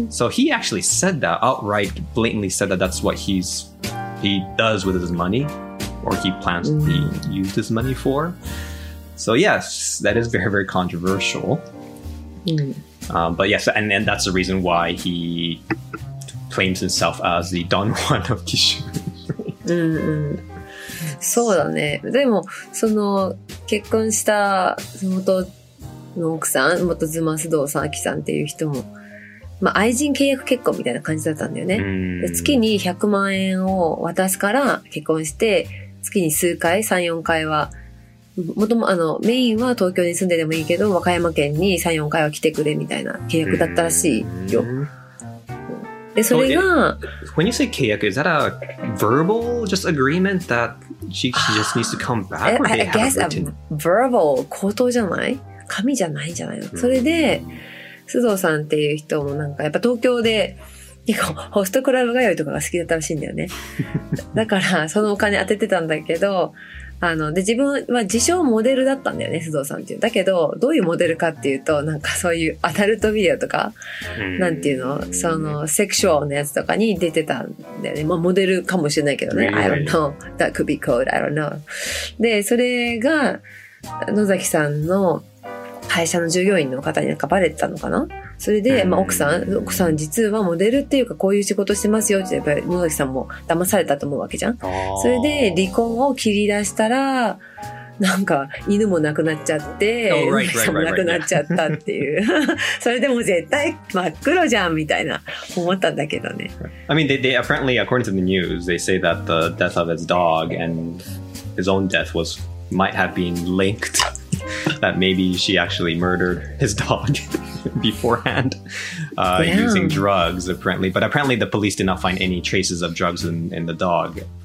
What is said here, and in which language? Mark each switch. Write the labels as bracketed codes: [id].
[en] So he actually said that outright, blatantly said that that's what he does with his money, or he plans to use his money for. So yes, that is very, very controversial. But yes, and that's the reason why he claims himself as the Don Juan of Kishu. [ja] そうだね。でも、その結婚した元の奥さん、元妻須藤咲さんっていう人も、まあ、愛人契約結婚みたいな感じだったんだよね。月に100万円を渡すから結婚して、月に数回、3、4回は、もともあのメインは東京に住んででもいいけど和歌山県に 3,4 回は来てくれみたいな契約だったらしいよ。でそれが、 [en] so、it, when you say 契約 is that a verbal just agreement that she just needs to come back or they have written? I guess a verbal [ja] 口頭じゃない紙じゃないんじゃないの。それで須藤さんっていう人もなんかやっぱ東京で結構ホストクラブ通いとかが好きだったらしいんだよね。だからそのお金当ててたんだけどあので自分は自称モデルだったんだよね須藤さんっていう。だけどどういうモデルかっていうとなんかそういうアダルトビデオとかなんていうのそのセクシュアルなやつとかに出てたんだよね。まあモデルかもしれないけどね。 [en] I don't know that could be called I don't know [ja] で。でそれが野崎さんの会社の従業員の方になんかバレてたのかな。それで、まあ、奥さん実はモデルっていうかこういう仕事してますよってやっぱり野崎さんも騙されたと思うわけじゃん。それで離婚を切り出したら、なんか犬も亡くなっちゃって、野崎さんも亡くなっちゃったっていう。それでも絶対真っ黒じゃんみたいな思ったんだけどね。 [en] I mean, they apparently, according to the news, they say that the death of his dog and his own death was, might have been linked. That maybe she actually murdered his dog. beforehand using drugs apparently but apparently the police did not find any traces of drugs in the dog